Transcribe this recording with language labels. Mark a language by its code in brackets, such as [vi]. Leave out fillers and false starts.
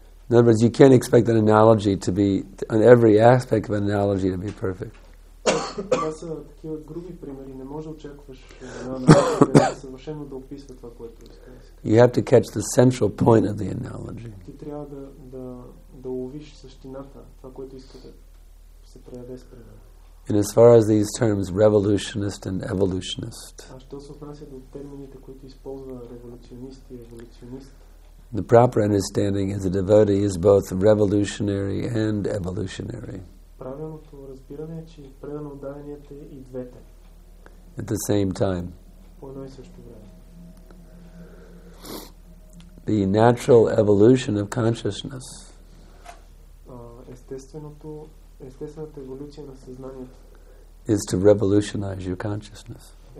[en] In other words, you can't expect an analogy to be on every aspect of an analogy to be perfect. [bg] Това са такива груби примери. Не може очакваш една съвършено да описва това, което искаш. [en] You have to catch the central point of the analogy. [bg] Ти трябва да ловиш същината, това, което искаш да се прояви с пример. [en] And as far as these terms, revolutionist and evolutionist. [bg] А що се отнася до термините, които използва революционист и еволюционист? [en] The proper understanding is a devotee is both revolutionary and evolutionary. [bg] Правилното разбиране е, че предан отдаденият е и двете. [en] At the same time. [bg] По едно и също време. [en] The natural evolution of consciousness. [bg] Естественото естествената еволюция на съзнанието. [en] Is to revolutionize your consciousness.